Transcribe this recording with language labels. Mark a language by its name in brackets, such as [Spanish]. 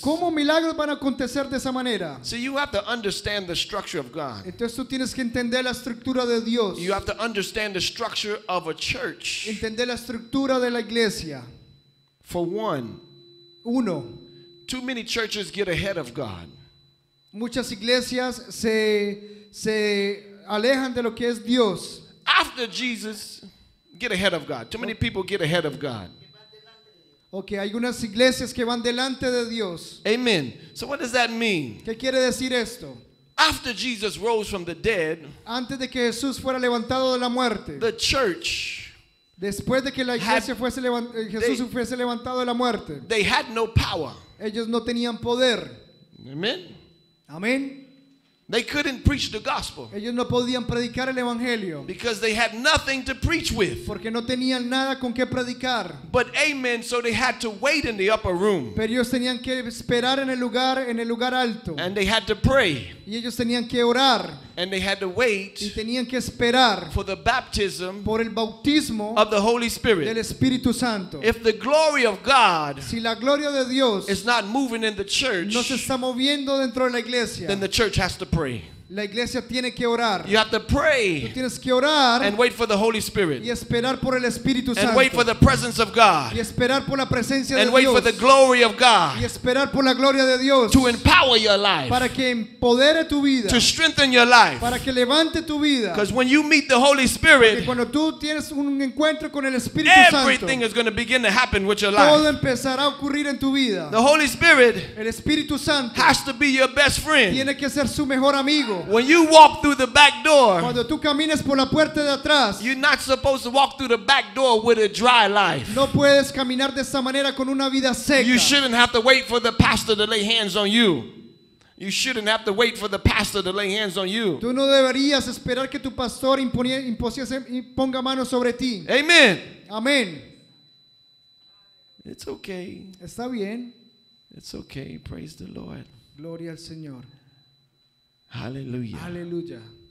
[Spanish] ¿Cómo milagros van a acontecer de esa manera? [English] So you have to understand the structure of God. [Spanish] Entonces tú tienes que entender la estructura de Dios. [English] You have to understand the structure of a church. [Spanish] Entender la estructura de la iglesia. [English] For one. [Spanish] Uno. [English] Too many churches get ahead of God. [Spanish] Muchas iglesias se alejan de lo que es Dios. [English] After Jesus, get ahead of God. Too many people get ahead of God. [Spanish] Okay, hay unas iglesias que van delante de Dios. [English] Amen. So what does that mean? [Spanish] ¿Qué quiere decir esto? [English] After Jesus rose from the dead, [Spanish] antes de que Jesús fuera levantado de la muerte, [English] the church, [Spanish] después de que la iglesia fuese levantado de la muerte, [English] they had no power. [Spanish] Ellos no tenían poder. [English] Amen. [Spanish] Amen. [English] They couldn't preach the gospel. [Spanish] Ellos no podían predicar el evangelio. [English] Because they had nothing to preach with. [Spanish] Porque no tenían nada con qué predicar. [English] But amen, so they had to wait in the upper room. [Spanish] Pero ellos tenían que esperar en el lugar alto. [English] And they had to pray. [Spanish] Y ellos tenían que orar. [English] And they had to wait. [Spanish] Y tenían que esperar. [English] For the baptism. [Spanish] Por el bautismo. [English] Of the Holy Spirit. [Spanish] Del Espíritu Santo. [English] If the glory of God. [Spanish] Si la gloria de Dios. [English] Is not moving in the church. [Spanish] No se está moviendo dentro de la iglesia. [English] Then the church has to pray. [Spanish] La iglesia tiene que orar. [English] You have to pray. [Spanish] Tú tienes que orar. [English] And wait for the Holy Spirit. [Spanish] Y esperar por el Espíritu Santo. [English] And wait for the presence of God. [Spanish] Y esperar por la presencia de Dios. [English] And wait for the glory of God. [Spanish] Y esperar por la gloria de Dios. [English] To empower your life. [Spanish] Para que empodere tu vida. [English] To strengthen your life. [Spanish] Para que levante tu vida. [English] Because when you meet the Holy Spirit. [Spanish] Porque cuando tú tienes un encuentro con el Espíritu Santo. [English] Everything is going to begin to happen with your life. [Spanish] Todo empezará a ocurrir en tu vida. [English] The Holy Spirit. [Spanish] El Espíritu Santo. [English] Has to be your best friend. [Spanish] Tiene que ser su mejor amigo. [English] When you walk through the back door, [Spanish] cuando tú caminas por la puerta de atrás, [English] you're not supposed to walk through the back door with a dry life. [Spanish] No puedes caminar de esa manera con una vida seca. [English] You shouldn't have to wait for the pastor to lay hands on you. You shouldn't have to wait for the pastor to lay hands on you. [Spanish] Tú no deberías esperar que tu pastor imponga manos sobre ti. [English] Amen. [Spanish] Amen. [English] It's okay. [Spanish] Está bien. [English] It's okay. Praise the Lord. [Spanish] Gloria al Señor. [English] Hallelujah. [Spanish] Hallelujah.